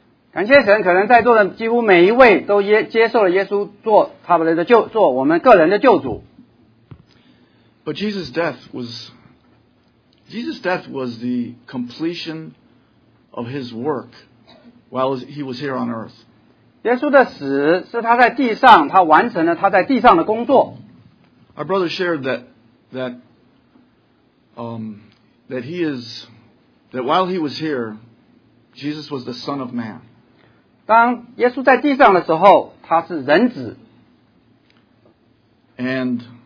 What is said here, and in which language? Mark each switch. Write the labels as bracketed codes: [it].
[zh] 感谢神，可能在座的几乎每一位都接受了耶稣做我们个人的救主。 [en] But Jesus' death was the completion of his work while he was here on earth. [zh] 耶稣的死是他在地上，他完成了他在地上的工作。 [en] Our brother shared that while he was here, Jesus was the Son of Man. [zh] 当耶稣在地上的时候，他是人子。 [en] And